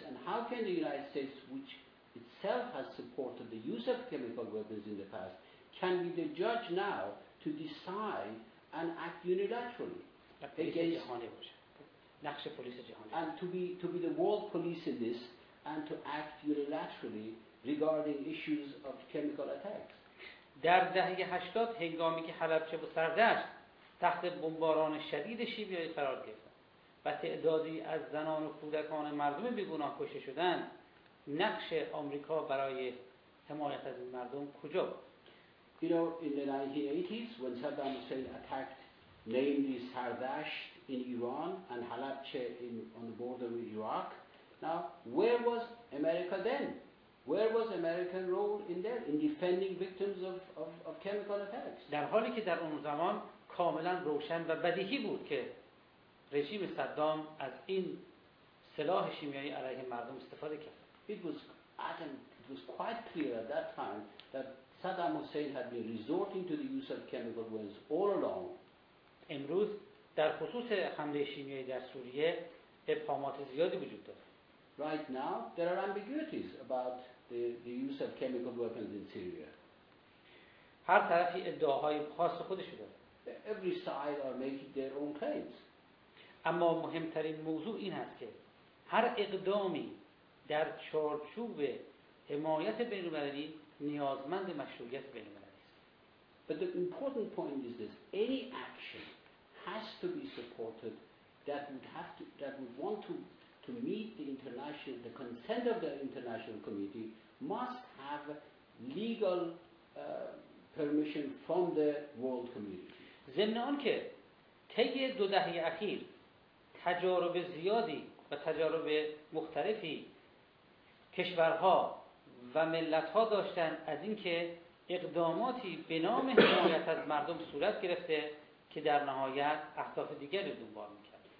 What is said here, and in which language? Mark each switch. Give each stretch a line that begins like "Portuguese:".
English: And how can the United States, which itself has supported the use of chemical weapons in the past, can be the judge now to decide and act unilaterally against
Persian: Iran? نقش پلیس جهانی.
English: And to be the world police in this and to act unilaterally regarding issues of chemical attacks.
Persian: در دهه 80 هنگامی که حلبچه و سردشت تحت بمباران شدید شیمیایی قرار گرفتند و تعدادی از زنان و کودکان مردم بی‌گناه کشته شدند، نقش آمریکا برای حمایت از این مردم کجا بود؟
English: You know, in the 1980s when Saddam Hussein attacked namely Sardasht in Iran and Halabja on the border with Iraq. Now, where was America then? Where was American role in there in defending victims of chemical attacks?
Persian: در حالی که در اون زمان کاملا روشن و بدیهی بود که رژیم صدام از این سلاح شیمیایی علیه مردم استفاده کرد.
English: It was quite clear at that time that Saddam Hussein had been resorting to the use of chemical weapons all along.
Persian: امروز در خصوص حمله شیمیایی در سوریه ابهامات زیادی وجود دارد.
English: Right now there are ambiguities about the use of chemical weapons in Syria.
Persian: هر طرفی ادعاهای خاص خودش را دارد.
English: Every side are making their own claims.
Persian: اما مهمترین موضوع این است که هر اقدامی در چارچوب حمایت بین‌المللی نیازمند مشروعیت بین‌المللی است.
English: But the important point is this: any action has to be supported that would want to meet the consent of the international community must have legal permission from the world community.
Persian: ضمن آن که طی دو دهه اخیر تجارب زیادی و تجارب مختلفی کشورها و ملت‌ها داشتند از اینکه اقداماتی به نام حمایت از مردم صورت گرفته که در نهایت اهداف دیگری دنبال می‌کرد.